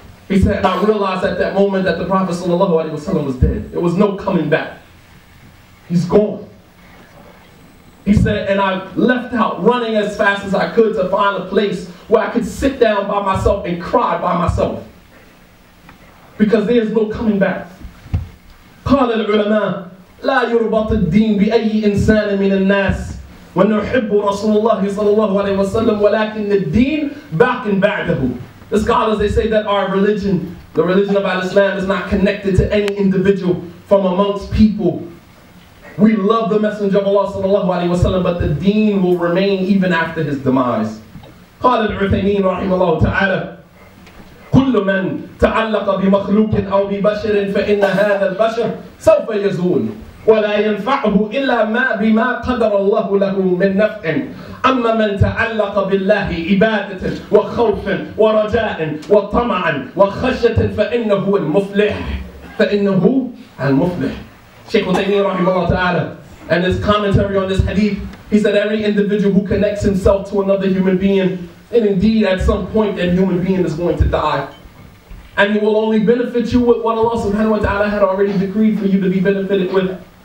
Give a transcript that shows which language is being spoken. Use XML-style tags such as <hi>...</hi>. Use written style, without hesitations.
<en>He said, I realized at that moment that the Prophet sallallahu alaihi wasallam was dead. There was no coming back. He's gone. He said, and I left out running as fast as I could to find a place where I could sit down by myself and cry by myself. Because there is no coming back.</en> <ar>قال العلماء لا يربط الدين بأي إنسان من الناس ونحب رسول الله صلى الله عليه وسلم ولكن الدين باق بعده.</ar> <en>The scholars, they say that our religion, the religion of Islam, is not connected to any individual from amongst people. We love the Messenger of Allah sallallahu alayhi wa sallam, but the deen will remain even after his demise.</en> <ar>قال العثيمين رحمه الله تعالى كل من تعلق بمخلوق أو ببشر فإن هذا البشر سوف يزول. ولا ينفعه إلا ما بما قدر الله له من نفع أما من تعلق بالله عبادة وخوف ورجاء وطمعا وخشية فإنه المفلح فإنه المفلح.</ar> <en>Sheikh Uthaymeen rahimahullah ta'ala, and his commentary on this hadith, he said every individual who connects himself to another human being, and indeed at some point that human being is going to die, and he will only benefit you with what Allah subhanahu wa ta'ala had already decreed for you to be benefited with.</en>